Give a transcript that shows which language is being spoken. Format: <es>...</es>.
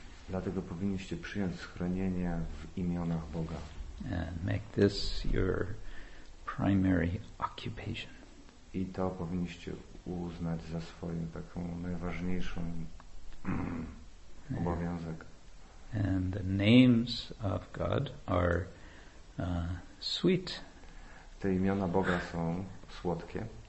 <pl>Dlatego powinniście przyjąć schronienie w imionach Boga.</pl> <en>And make this your primary occupation.</en> <pl>I to powinniście uznać za swoją taką najważniejszą obowiązek.</pl> <en>And the names of God are sweet.</en> <pl>Te imiona Boga są słodkie.</pl>